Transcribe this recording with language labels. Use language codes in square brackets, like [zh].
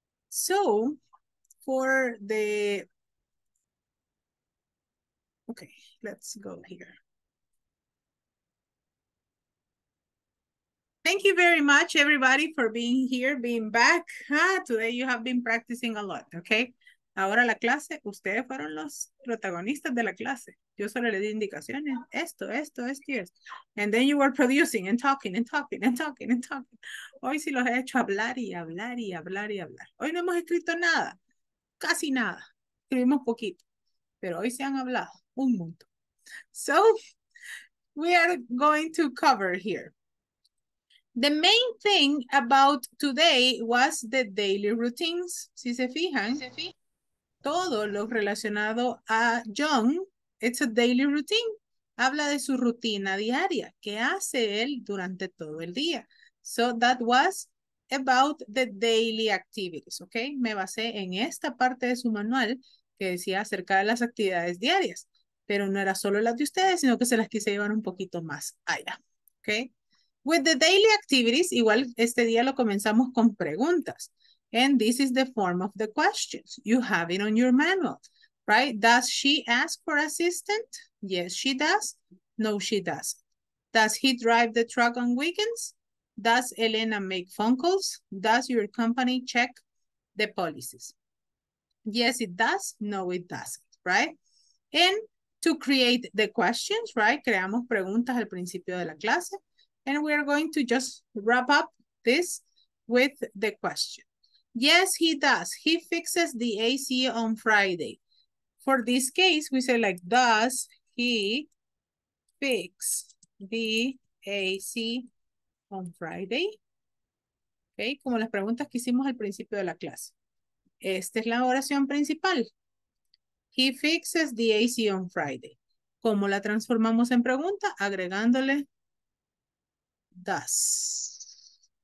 [en] So, for the... Okay, let's go here. Thank you very much, everybody, for being here, being back. Ah, today you have been practicing a lot, okay? [es] Ahora la clase, ustedes fueron los protagonistas de la clase. Yo solo le di indicaciones, esto. [en] And then you were producing and talking. [es] Hoy sí los he hecho hablar. Hoy no hemos escrito nada, casi nada. Escribimos poquito, pero hoy se han hablado un montón. [en] So, we are going to cover here. The main thing about today was the daily routines. [es] Si se fijan, todo lo relacionado a John, [en] it's a daily routine. [es] Habla de su rutina diaria. ¿Qué hace él durante todo el día? [en] So that was about the daily activities, ¿ok? [es] Me basé en esta parte de su manual que decía acerca de las actividades diarias, pero no era solo las de ustedes, sino que se las quise llevar un poquito más allá, ¿ok? [en] With the daily activities, [es] igual este día lo comenzamos con preguntas. [en] And this is the form of the questions. You have it on your manual, right? Does she ask for assistance? Yes, she does. No, she doesn't. Does he drive the truck on weekends? Does Elena make phone calls? Does your company check the policies? Yes, it does. No, it doesn't, right? And to create the questions, right? [es] Creamos preguntas al principio de la clase. [en] And we are going to just wrap up this with the question. Yes, he does. He fixes the AC on Friday. For this case, we say like, does he fix the AC on Friday? [es] Okay, como las preguntas que hicimos al principio de la clase. Esta es la oración principal. [en] He fixes the AC on Friday. [es] ¿Cómo la transformamos en pregunta? Agregándole does.